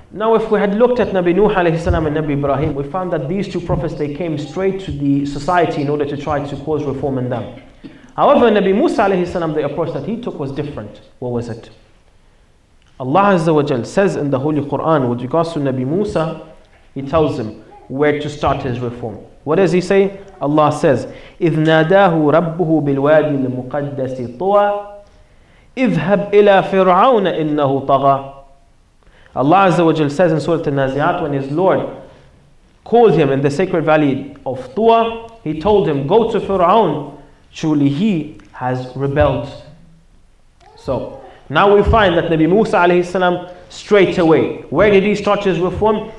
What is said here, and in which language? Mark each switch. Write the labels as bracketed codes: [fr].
[en] Now, if we had looked at Nabi Nuh alayhi salam and Nabi Ibrahim, we found that these two prophets, they came straight to the society in order to try to cause reform in them. However, Nabi Musa alayhi salam, the approach that he took was different. What was it? Allah Azza wa Jal says in the Holy Quran with regards to Nabi Musa, he tells him where to start his reform. What does he say? Allah says, [ar] إِذْ نَادَاهُ رَبُّهُ بِالْوَادِ الْمُقَدَّسِ طُوَى إِذْهَبْ إِلَى فِرْعَوْنَ إِنَّهُ طَغَى. [en] Allah Azza wa Jal says in Surah An-Nazi'at, when his Lord called him in the sacred valley of Tuwa, he told him, go to Fir'aun, truly he has rebelled. So, now we find that Nabi Musa alayhi salam, straight away, where did he start his reform?